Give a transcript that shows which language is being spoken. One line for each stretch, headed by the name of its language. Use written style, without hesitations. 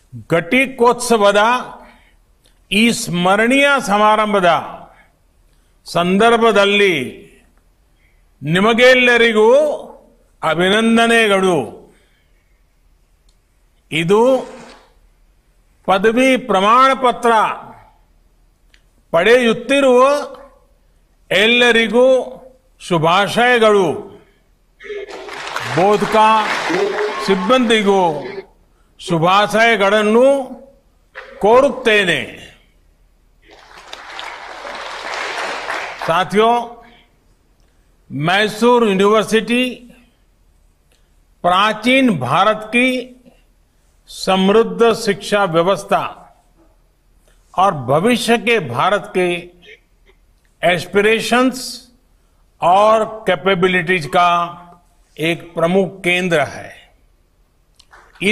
Kannada: घटिकोत्सवदा स्मरणीय समारंभद संदर्भदल्ली ನಿಮಗೆಲ್ಲರಿಗೂ ಅಭಿನಂದನೆಗಳು. ಇದು ಪದವಿ ಪ್ರಮಾಣ ಪತ್ರ ಪಡೆಯುತ್ತಿರುವ ಎಲ್ಲರಿಗೂ ಶುಭಾಶಯಗಳು. ಬೋಧಕ ಸಿಬ್ಬಂದಿಗೂ ಶುಭಾಶಯಗಳನ್ನು ಕೋರುತ್ತೇನೆ.
Hindi: ಸಾಥಿಯೋ, मैसूर यूनिवर्सिटी प्राचीन भारत की समृद्ध शिक्षा व्यवस्था और भविष्य के भारत के एस्पिरेशंस और कैपेबिलिटीज का एक प्रमुख केंद्र है।